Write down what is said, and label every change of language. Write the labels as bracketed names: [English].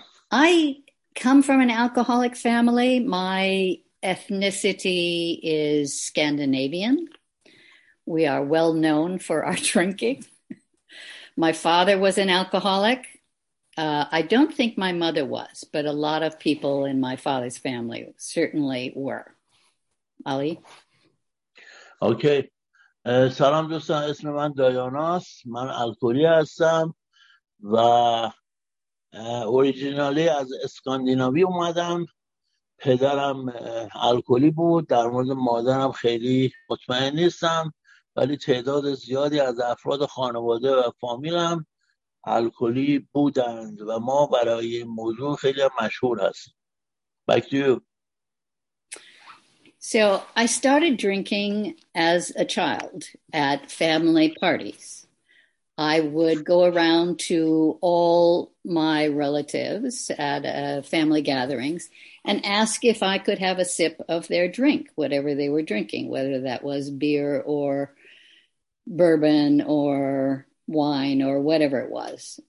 [English] I come from an alcoholic family. My ethnicity is Scandinavian. We are well known for our drinking. My father was an alcoholic. I don't think my mother was, but a lot of people in my father's family certainly were. Ali? Okay. [Persian] سلام دوستان، اسم من دایاناست، من الکلی هستم و اوریجینالی از اسکاندیناوی اومدم. پدرم الکلی بود، در مورد مادرم خیلی مطمئن نیستم، ولی تعداد زیادی از افراد خانواده و فامیلم الکلی بودند و ما برای این موضوع خیلی مشهور هستیم. [English] Back to you. So I started drinking as a child at family parties. I would go around to all my relatives at family gatherings and ask if I could have a sip of their drink, whatever they were drinking, whether that was beer or bourbon or wine or whatever it was.